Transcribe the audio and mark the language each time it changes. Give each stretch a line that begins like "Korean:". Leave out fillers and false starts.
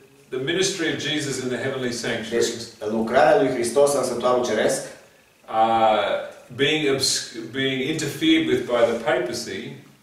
English: The ministry of Jesus in the heavenly sanctuary.
Romanian: Lucrarea lui Hristos în sanctuarul ceresc.
English: Being interfered with by the papacy,